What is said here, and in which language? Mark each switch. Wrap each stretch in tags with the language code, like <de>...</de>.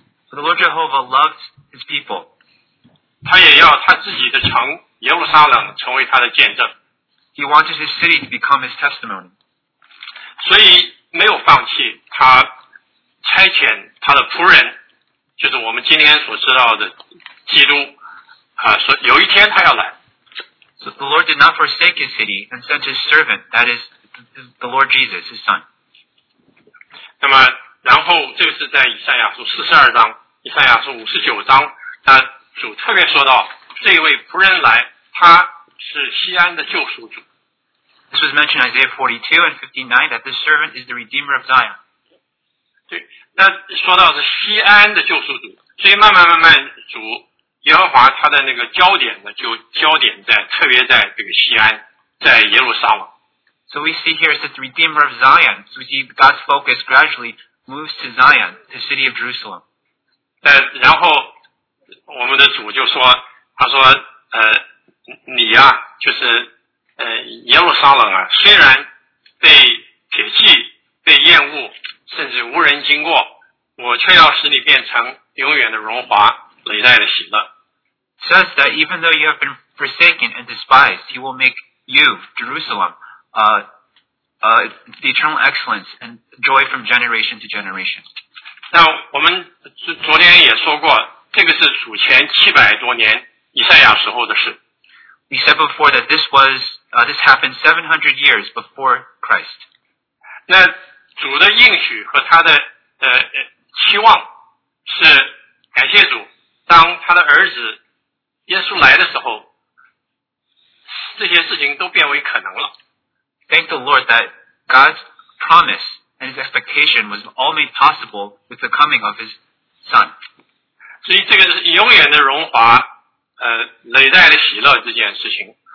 <en>But the Lord Jehovah loves his people.</en> <zh>他也要他自己的城耶路撒冷成为他的见证。</zh> <en>He wanted his city to become his testimony.</en> <zh>所以没有放弃，他差遣他的仆人，就是我们今天所知道的基督啊，说有一天他要来。</zh> <en>So the Lord did not forsake his city and sent his servant, that is the Lord Jesus, his son.</en> <zh>那么，然后这个是在以赛亚书四十二章，以赛亚书五十九章，他主特别说到这位仆人来，他是锡安的救赎主。</zh> <en>This was mentioned in Isaiah 42 and 59 that this servant is the Redeemer of Zion.</en> <zh>对，那说到是锡安的救赎主。所以慢慢慢慢主耶和华他的那个焦点呢，就焦点在特别在这个锡安，在耶路撒冷。</zh> <en>So we see here is that the Redeemer of Zion. So we see God's focus gradually moves to Zion, the city of Jerusalem.</en> <zh>但然后我们的主就说，他说你啊，就是耶路撒冷啊，虽然被撇弃、被厌恶，甚至无人经过，我却要使你变成永远的荣华，累代的喜乐。</zh> <en>Says that even though you have been forsaken and despised, he will make you, Jerusalem, the eternal excellence and joy from generation to generation.</en> <zh>那我们昨天也说过，这个是主前七百多年以赛亚时候的事。</zh> <en>We said before that this was this happened 700 years before Christ.</en> <zh>那主的应许和他的期望是感谢主，当他的儿子耶稣来的时候，这些事情都变为可能了。</zh> <en>Thank the Lord that God's promise and His expectation was all made possible with the coming of His Son.</en> <zh>所以这个是永远的荣华，累代的喜乐这件事情。</zh>